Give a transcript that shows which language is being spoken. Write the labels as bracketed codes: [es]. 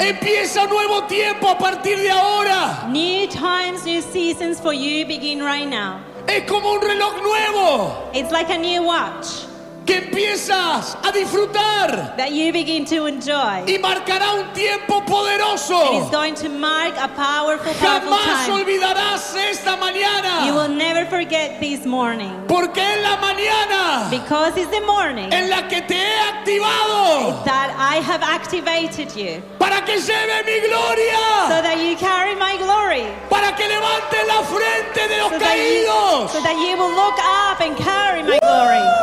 [es] Empieza nuevo tiempo a partir de ahora. [en] New times, new seasons for you begin right now. [es] Es como un reloj nuevo. [en] It's like a new watch. [es] Que empiezas a disfrutar. [en] That you begin to enjoy. [es] Y marcará un tiempo poderoso. [en] And it's going to mark a powerful, powerful time. [es] Jamás olvidarás esta mañana. [en] You will never forget this morning. [es] Porque es la mañana. [en] Because it's the morning. [es] En la que te he activado. [en] That I have activated you. [es] Para que lleve mi gloria. [en] So that you carry my glory. [es] Para que levante la frente de los caídos. [en] So that you will look up and carry my glory.